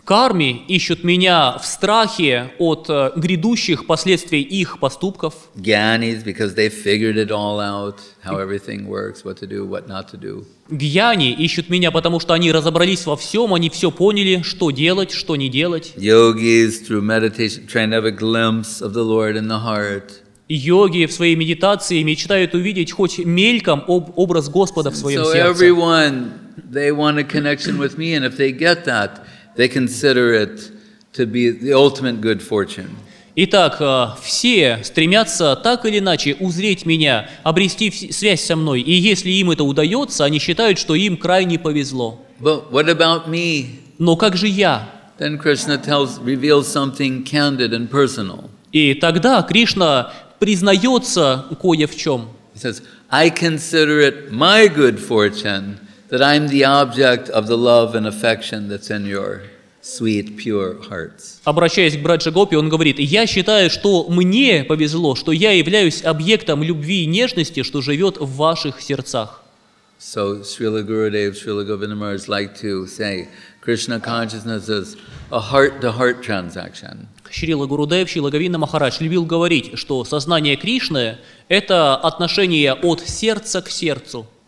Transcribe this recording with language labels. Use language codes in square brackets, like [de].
[ru] Карми ищут меня в страхе от грядущих последствий их поступков. [en] Гьянис, because they figured it all out, how everything works, what to do, what not to do. [ru] Гьяни ищут меня, потому что они разобрались во всем, они все поняли, что делать, что не делать. [en] Йогис, through meditation, trying to have a glimpse of the Lord in the heart. [ru] Йоги в своей медитации мечтают увидеть хоть мельком образ Господа в своем сердце. [en] So everyone, they want a connection with me, and if they get that, they consider it to be the ultimate good fortune. [ru] Итак, все стремятся так или иначе узреть меня, обрести связь со мной, и если им это удается, они считают, что им крайне повезло. [en] But what about me? [ru] Но как же я? [en] Then Krishna reveals something candid and personal. [ru] И тогда Кришна признается кое в чем. [en] He says, I consider it my good fortune that I'm the object of the love and affection that's in your sweet, pure hearts. [ru] Обращаясь к Браджа Гопи, он говорит, я считаю, что мне повезло, что я являюсь объектом любви и нежности, что живет в ваших сердцах. [en] So Srila Gurudev, Srila Govinda Maharaj like to say, Krishna consciousness is a heart-to-heart transaction. [ru] Шрила Гурудев, Шрила Говинда Махарадж любил говорить, что сознание Кришны – это отношение от сердца к сердцу.